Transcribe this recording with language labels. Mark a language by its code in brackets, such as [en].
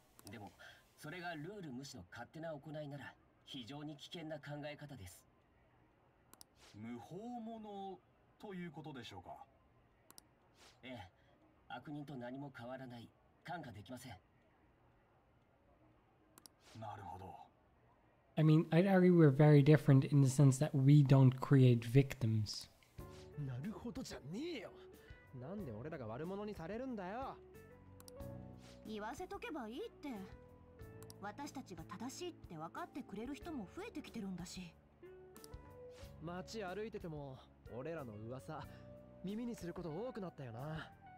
[ja] でも、それがルール無視の勝手な行いなら、非常に危険な考え方です。無法者ということでしょうか。ええ、悪人と何も変わらない、感化できません。なるほど。 [en] I mean, I'd argue we're very different in the sense that we don't create victims. [ja] なるほどじゃねえよ。なんで俺らが悪者にされるんだよ。言わせとけばいいって。私たちが正しいって分かってくれる人も増えてきてるんだし。街歩いてても俺らの噂耳にすること多くなったよな。